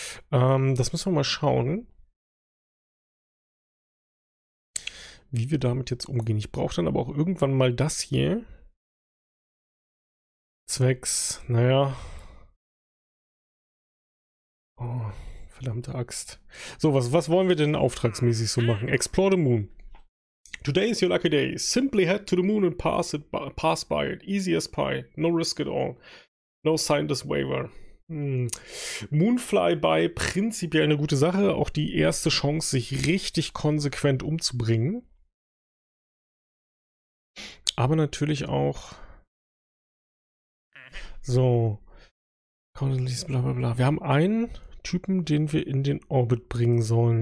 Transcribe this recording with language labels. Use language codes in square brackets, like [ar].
[de] Das müssen wir mal schauen, wie wir damit jetzt umgehen. Ich brauche dann aber auch irgendwann mal das hier. Zwecks, naja. Oh, verdammte Axt. So, was wollen wir denn auftragsmäßig so machen? [en] Explore the Moon. Today is your lucky day. Simply head to the moon and pass by it. Easy as pie. No risk at all. No scientist waiver. [de] Moonflyby, prinzipiell eine gute Sache. Auch die erste Chance, sich richtig konsequent umzubringen. Aber natürlich auch. So. Blablabla. Wir haben einen Typen, den wir in den Orbit bringen sollen.